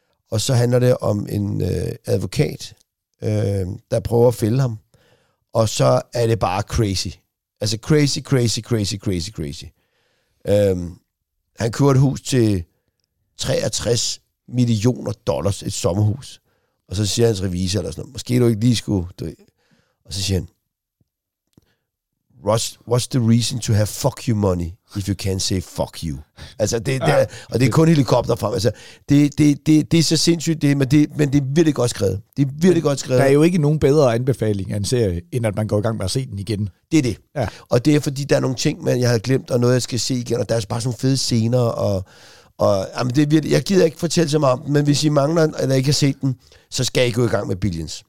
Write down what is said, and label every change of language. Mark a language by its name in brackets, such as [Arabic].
[Danish] Og så handler det om en advokat, der prøver at fælde ham. Og så er det bare crazy. Altså crazy, crazy, crazy, crazy, crazy. Han køber et hus til $63 millioner, et sommerhus. Og så siger hans revisor, eller sådan noget, måske du ikke lige skulle, du... Og så siger han, [English] what's the reason to have fuck you money, if you can't say fuck you? [Danish] Altså, og det er kun helikopter frem. Altså, det er så sindssygt, men det er virkelig godt skrevet. Det er virkelig godt skrevet. Der er jo ikke nogen bedre anbefaling af en serie, end at man går i gang med at se den igen. Det er det. Ja. Og det er, fordi der er nogle ting, man jeg har glemt, og noget, jeg skal se igen, og der er bare sådan fede scener, og jamen, det er virkelig, jeg gider ikke fortælle så meget om den, men hvis I mangler, eller ikke har set den, så skal jeg gå i gang med Billions.